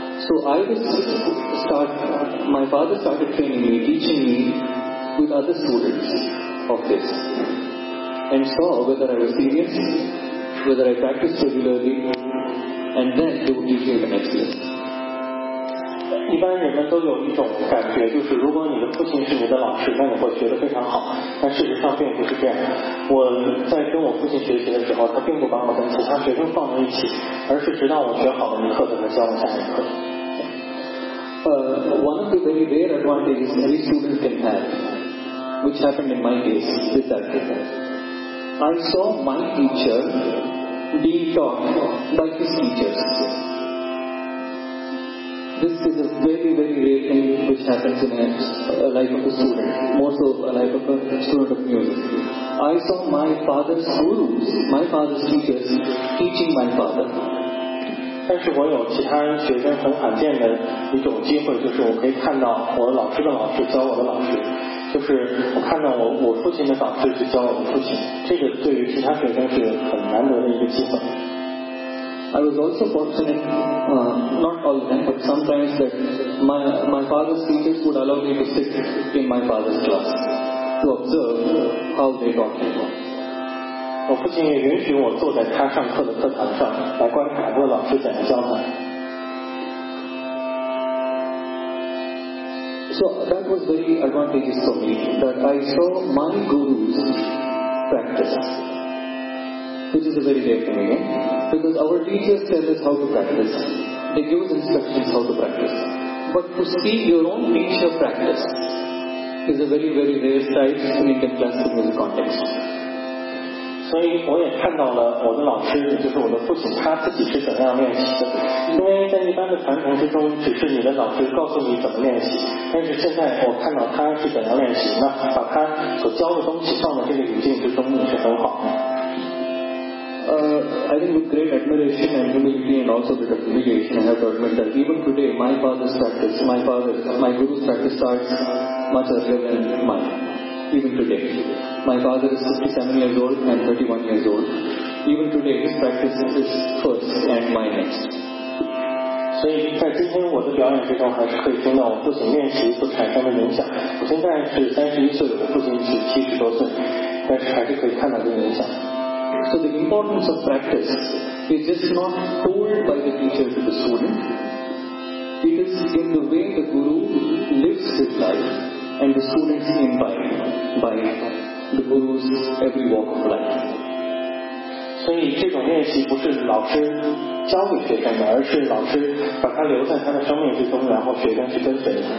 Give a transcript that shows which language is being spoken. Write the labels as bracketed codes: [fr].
[en] So I was my father started training me, teaching me with other students of this, and saw whether I was serious, whether I practiced regularly, and then they would teach me the next lesson. [zh] 一般人们都有一种感觉，就是如果你的父亲是你的老师，那你会学得非常好。但事实上并不是这样。我在跟我父亲学习的时候，他并不把我跟其他学生放在一起，而是直到我学好了一课，才能教我下一课。 [en] One of the very rare advantages any student can have, which happened in my case, is that I saw my teacher being taught by his teachers. This is a very, very rare thing which happens in a life of a student, more so a life of a student of music. I saw my father's gurus, my father's teachers, teaching my father. [zh] 但是我有其他学生很罕见的一种机会，就是我可以看到我老师的老师教我的老师，就是我看到我父亲的导师去教我的父亲。这个对于其他学生是很难得的一个机会。 [en] I was also fortunate, not all of them, but sometimes that my father's teachers would allow me to sit in my father's class to observe how they taught me. [zh] 我父亲也允许我坐在他上课的课堂上来观察我老师怎么教他。 [en] So that was very advantageous for me, that I saw my gurus practice. Which is a very great thing, because our teachers tell us how to practice. They give us instructions how to practice. But to see your own teacher practice is a very, very rare sight in Indian classical music context. [zh] 所以我也看到了我的老师，也就是我的父亲，他自己是怎样练习的。因为在一般的传统之中，只是你的老师告诉你怎么练习，但是现在我看到他是怎样练习，那把他所教的东西放到这个语境之中也是很好的。 [en] I think with great admiration and humility and also with obligation, I have to admit that even today my father's practice, my guru's practice starts much earlier than mine. Even today. My father is 67 years old and 31 years old. Even today his practice is first and my next. So, in the presentation of my performance, I can hear my father's practice and the effect of my practice. I'm now 31 years old, my father is 70 years old, but I can still see the effect of it. So the importance of practice is just not told by the teacher to the student. It is in the way the guru lives his life and the students imbibe by the guru's every walk of life. [zh] 所以这种练习不是老师教给学生的，而是老师把它留在他的生命之中，然后学生去跟随。